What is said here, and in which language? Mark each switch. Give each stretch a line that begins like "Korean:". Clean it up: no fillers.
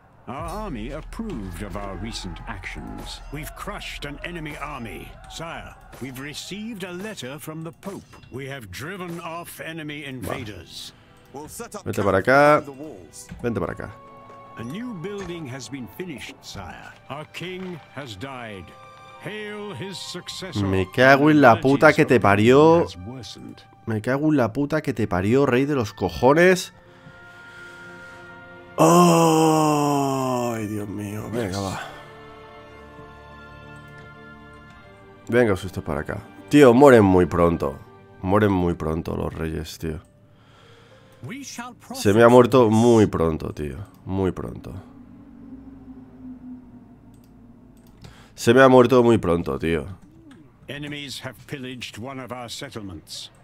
English: Our army approved of our recent actions. We've crushed an enemy army. Sire, we've received a letter from the Pope. We have driven off enemy invaders. We'll set up
Spanish: vente para acá. Vente para acá.
English: A new building has been finished, sire. Our king has died. Hail his successor.
Spanish: Me cago en la puta que te parió. Me cago en la puta que te parió, rey de los cojones. ¡Ay, Dios mío! Venga, va. Venga, susto para acá. Tío, mueren muy pronto. Mueren muy pronto los reyes, tío. Se me ha muerto muy pronto, tío. Muy pronto. Se me ha muerto muy pronto, tío.
English: Enemies have pillaged one of our settlements.